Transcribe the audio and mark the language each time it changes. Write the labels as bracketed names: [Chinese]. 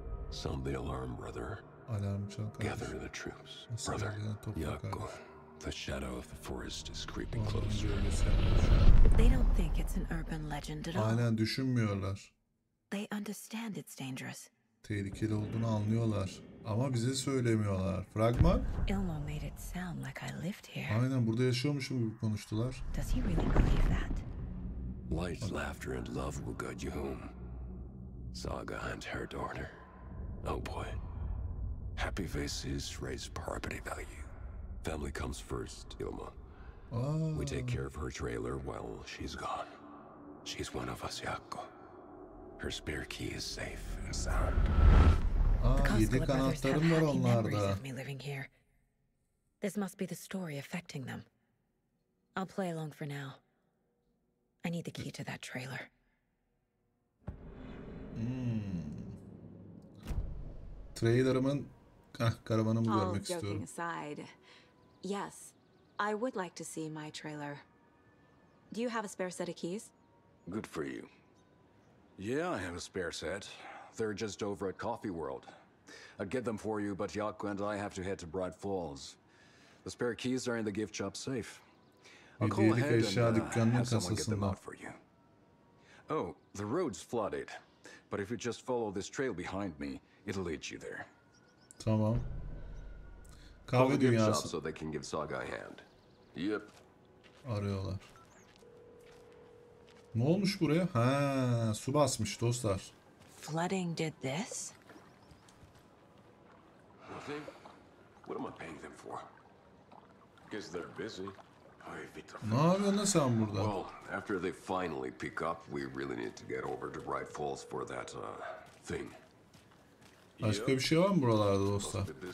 [English] Sound the alarm, brother. [Turkish] Alarm çalar. [English] Gather the troops, brother. Yakov. The shadow of the forest is creeping closer. They don't think it's an urban legend at all. [Turkish] Aynen düşünmüyorlar. [English] They understand it's dangerous. [Turkish] Tehlikeli olduğunu anlıyorlar. Ama bize söylemiyorlar. Fragman. [English] Ilmo made it sound like I lived here. [Turkish] Aynen burada yaşıyormuşum gibi konuştular. [English] Does he really believe that? Light, laughter and love will guide you home. Saga and her daughter. Oh boy. Happy faces raise property value. Family comes first, Ilmo. We take care of her trailer while she's gone. She's one of us, Yakko. Her spare key is safe and sound. [Turkish] Yedi kanatlarım var onlarda. [English] This must be the story affecting them. I'll play along for now. I need the key to that trailer. [Turkish] Trailer'ımın karavanımı görmek istiyorum. [English] Yes, I would like to see my trailer. Do you have a spare set of keys? Good for you. Yeah, I have a spare set. They're just over at Coffee World. I'd get them for you, but Yaku and I have to head to Bright Falls. The spare keys are in the gift shop safe. I'll call ahead and have someone get them out for you. Oh, the road's flooded. But if you just follow this trail behind me, it'll lead you there. [Turkish] Tamam. Kahve dünyası. [English] So they can give Saga a hand. Yep. [Turkish] Arıyorlar. Ne olmuş buraya? Ha, su basmış dostlar. [English] Flooding did this? Nothing. What am I paying them for? Because they're busy. [Turkish] Ay, ne yapıyorsun sen burada? [English] Well, after they finally pick up, we really need to get over to Bright Falls for that thing. [Turkish] Başka bir şey var mı buralarda dostlar?